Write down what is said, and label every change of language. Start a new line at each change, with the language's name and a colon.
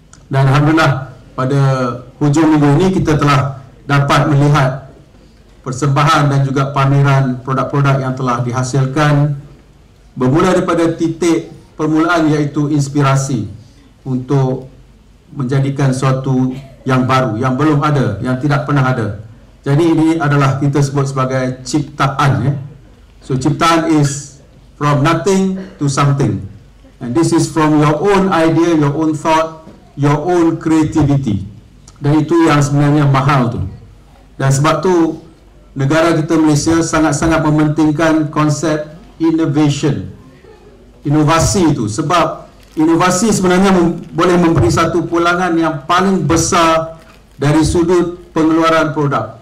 Malay: Dan alhamdulillah pada hujung minggu ini kita telah dapat melihat persembahan dan juga pameran produk-produk yang telah dihasilkan bermula daripada titik permulaan, iaitu inspirasi untuk menjadikan suatu yang baru, yang belum ada, yang tidak pernah ada. Jadi ini adalah kita sebut sebagai ciptaan.
English: So ciptaan is from nothing to something. And this is from your own idea, your own thought, your own creativity.
Malay: Dan itu yang sebenarnya mahal tu. Dan sebab tu negara kita Malaysia sangat-sangat mementingkan konsep innovation, inovasi itu. Sebab inovasi sebenarnya boleh memberi satu pulangan yang paling besar dari sudut pengeluaran produk.